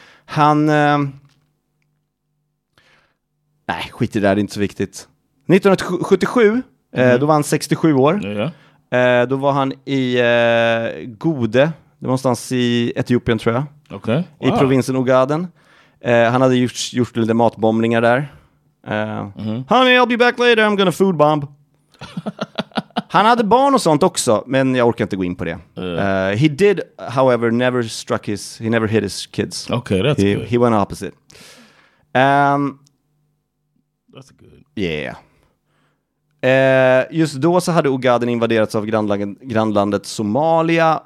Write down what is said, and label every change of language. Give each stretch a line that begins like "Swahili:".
Swedish: Han nej, skit i det där, det är inte så viktigt. 1977, då var han 67 år. Ja. Då var han i Gode, någonstans i Etiopien tror jag.
English: Okay. Wow.
Swedish: I provinsen Ogaden. Han hade gjort lite matbombningar där.
English: Honey, I'll be back later, I'm gonna food bomb.
Swedish: Han hade barn och sånt också, men jag orkar inte gå in på det.
English: He did, however, never hit his kids. Okay, that's good. He went opposite. That's good. Yeah.
Swedish: Just då så hade Ogaden invaderats av grannlandet Somalia.